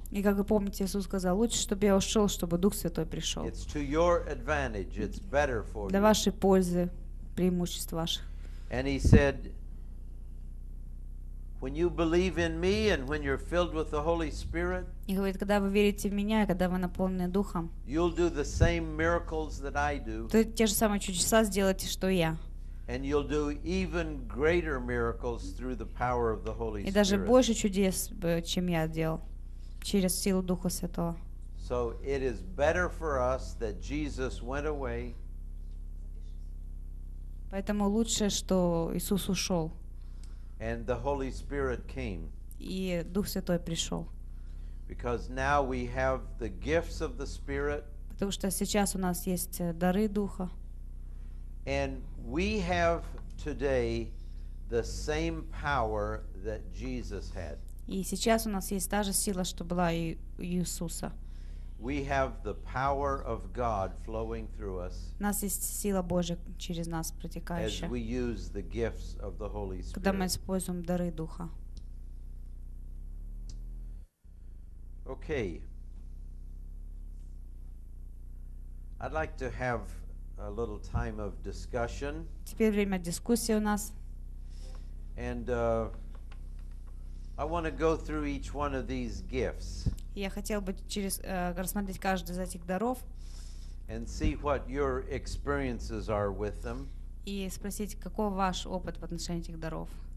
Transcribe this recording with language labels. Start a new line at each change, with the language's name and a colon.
Russian: И как вы помните, Иисус сказал, лучше, чтобы я ушел, чтобы Дух Святой пришел.
English: It's to your advantage. It's better for you.
Russian: Для вашей пользы, преимуществ ваших.
English: And he said, "When you believe in me, and when you're filled with the Holy Spirit."
Russian: И говорит, когда вы верите в меня, когда вы наполнены духом.
English: You'll do the same miracles that I do.
Russian: То те же самые чудеса сделаете, что я.
English: And you'll do even greater miracles through the power of the Holy Spirit.
Russian: И даже больше чудес, чем я делал, через силу Духа Святого.
English: So it is better for us that Jesus went away.
Russian: Поэтому лучше, что Иисус ушел.
English: And the Holy Spirit came.
Russian: И Дух Святой пришел.
English: Because now we have the gifts of the Spirit.
Russian: Потому что сейчас у нас есть дары Духа.
English: And we have today the same power that Jesus had.
Russian: И сейчас у нас есть та же сила, что была и у Иисуса.
English: We have the power of God flowing through us.
Russian: У нас есть сила Божья через нас протекающая.
English: As we use the gifts of the Holy Spirit.
Russian: Когда мы используем дары Духа.
English: Okay. I'd like to have a little time of discussion.
Russian: Теперь время дискуссии у нас.
English: And I want to go through each one of these gifts.
Russian: Я хотел бы через рассмотреть каждый из этих даров.
English: And see what your experiences are with them.
Russian: И спросить, каков ваш опыт в отношении этих даров.